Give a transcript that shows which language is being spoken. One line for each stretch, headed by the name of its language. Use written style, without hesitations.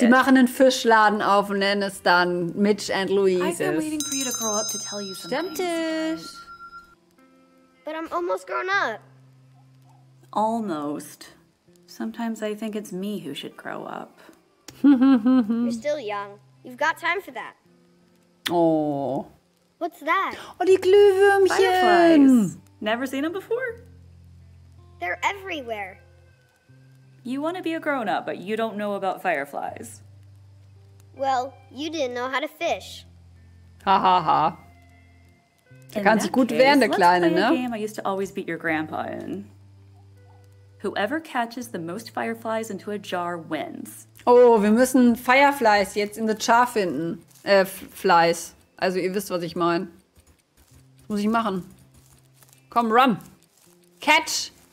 German: Sie machen einen Fischladen auf und nennen es dann Mitch and Louise's.
English: I've been waiting for you to grow up to tell you some
German: Stammtisch.
English: Things. But I'm almost grown up. Almost. Sometimes I think it's me who should grow up. You're still young. You've got time for that. Oh. What's that?
German: Oh, die Glühwürmchen.
English: Fireflies. Never seen them before? They're everywhere. You want to be a grown-up, but you don't know about fireflies. Well, you didn't know how to fish. Ha ha ha.
German: Der kann sich gut wehren, der Kleine, ne?
English: Let's play a game I used to always beat your grandpa in. Whoever catches the most fireflies into a jar wins.
German: Oh, wir müssen Fireflies jetzt
English: in the jar
German: finden. Flies. Also ihr wisst, was ich meine. Das muss ich machen. Komm,
English: run. Catch.